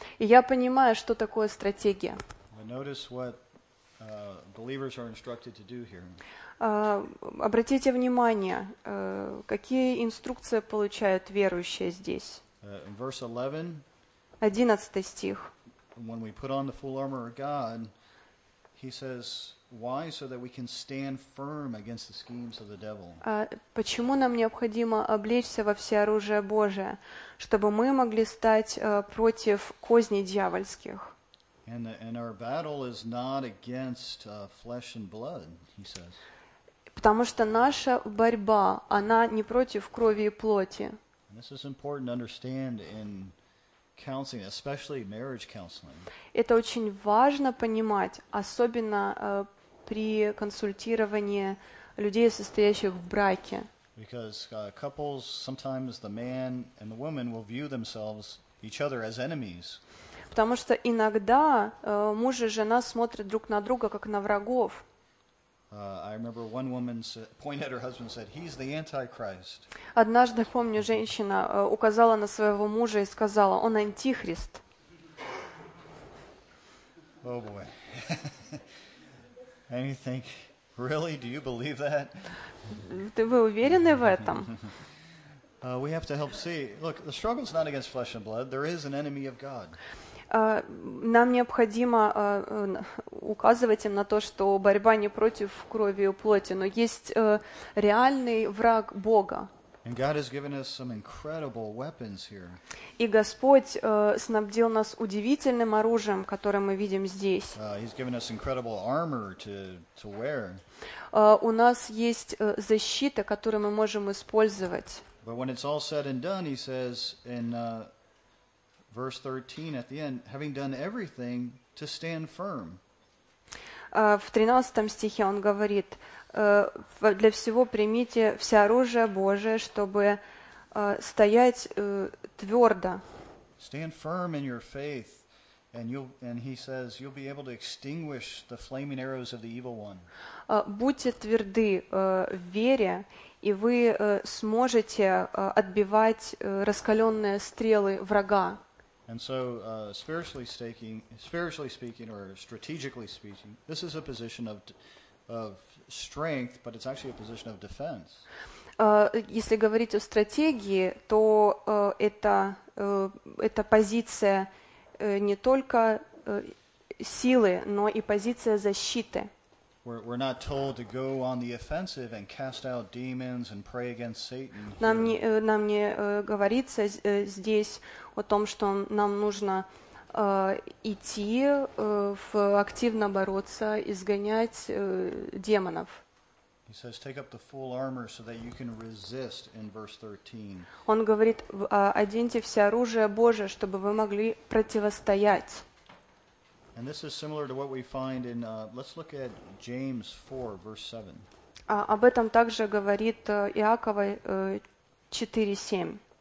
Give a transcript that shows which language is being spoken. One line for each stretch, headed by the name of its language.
Russian: И я понимаю, что такое стратегия.
English: But notice what believers are instructed to do here.
Russian: Обратите внимание, какие инструкции получают верующие здесь.
English: Verse 11.
Russian: 11 стих.
English: When we put on the full armor of God, he says, why so that we can stand firm against the schemes of the devil.
Russian: Почему нам необходимо облечься во все оружие Божие, чтобы мы могли стать против козней дьявольских?
English: And our battle is not against flesh and blood, he says.
Russian: Потому что наша борьба, она не против крови и плоти.
English: And this is important to understand in counseling, especially marriage counseling.
Russian: Это очень важно понимать, особенно при консультировании людей, состоящих в браке.
English: Because couples, sometimes the man and the woman will view themselves, each other, as enemies.
Russian: Потому что иногда муж и жена смотрят друг на друга, как на врагов.
English: I remember one woman pointed at her husband and said, he's the Antichrist.
Russian: Однажды, помню, женщина указала на своего мужа и сказала, он антихрист.
English: Oh boy. And you think, really, do you believe that?
Russian: Вы уверены в этом?
English: We have to help see. Look, the struggle is not against flesh and blood. There is an enemy of God.
Russian: Нам необходимо указывать им на то, что борьба не против крови и плоти, но есть реальный враг Бога.
English: And God has given us some incredible weapons here.
Russian: И Господь снабдил нас удивительным оружием, которое мы видим здесь.
English: He's given us incredible armor to wear.
Russian: У нас есть защита, которую мы можем использовать.
English: But when it's all said and done, he says in verse 13 at the end, having done everything to stand firm.
Russian: В 13 стихе он говорит: для всего примите все оружие Божие, чтобы стоять твердо.
English: Stand firm in your faith, and he says you'll be able to extinguish the flaming arrows of the evil one.
Russian: Будьте тверды в вере, и вы сможете отбивать раскаленные стрелы врага.
English: And so, spiritually speaking, or strategically speaking, this is a position of strength, but it's actually a position of defense.
Russian: Если говорить о стратегии, то это позиция не только силы, но и позиция защиты.
English: We're not told to go on the offensive and cast out demons and pray against Satan.
Russian: Нам не говорится здесь о том, что нам нужно идти в активно бороться, изгонять демонов.
English: He says, "Take up the full armor so that you can resist." In verse 13.
Russian: Он говорит: оденьте все оружие Божие, чтобы вы могли противостоять.
English: And this is similar to what we find in let's look at James 4 verse 7.
Russian: Об этом также говорит Иакова 4:7.